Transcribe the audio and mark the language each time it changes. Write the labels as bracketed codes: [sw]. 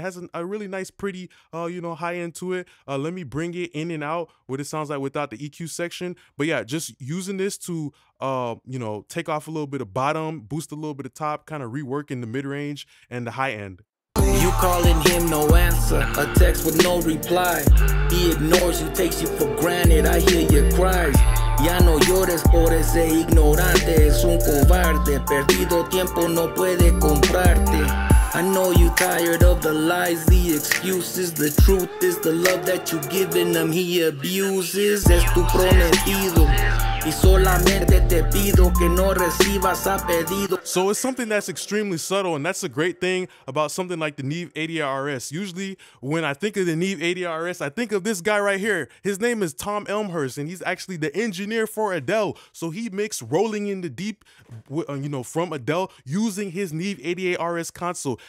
[en] It has a really nice, pretty, you know, high end to it. Let me bring it in and out, what it sounds like without the EQ section. But yeah, just using this to you know, take off a little bit of bottom, boost a little bit of top, kind of reworking the mid-range and the high end. You calling him, no answer. A text with no reply. He ignores you, takes you for granted. I hear your cries. [es] Ya no llores por ese ignorante. Es un cobarde. Perdido tiempo no puede comprarte. [en] I know you tired of the lies, the excuses. The truth is the love that you giving him, he abuses. [es] Es tu prometido. Y solamente te pido que no recibas a pedido. [en] So it's something that's extremely subtle, and that's a great thing about something like the Neve ADRS. Usually, when I think of the Neve ADRS, I think of this guy right here. His name is Tom Elmhurst, and he's actually the engineer for Adele. So he mixed Rolling in the Deep, you know, from Adele using his Neve ADRS console.